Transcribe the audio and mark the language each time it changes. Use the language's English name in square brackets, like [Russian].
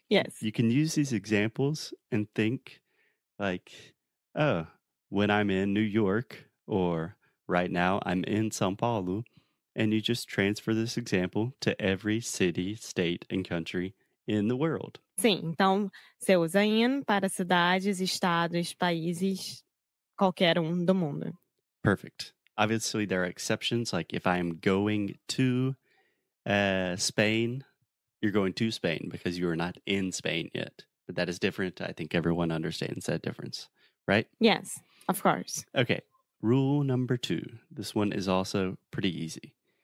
[English] yes, you can use these examples and think like, oh, when I'm in New York or right now I'm in São Paulo, and you just transfer this example to every city, state, and country in the world. [Portuguese] Sim, então você usa in para cidades, estados, países, qualquer um do mundo. [English] Perfect. Obviously, there are exceptions. Like if I am going to Spain, you're going to Spain because you are not in Spain yet. But that is different. I think everyone understands that difference, right? Yes, of course. Okay. Rule number two. This one is also pretty easy.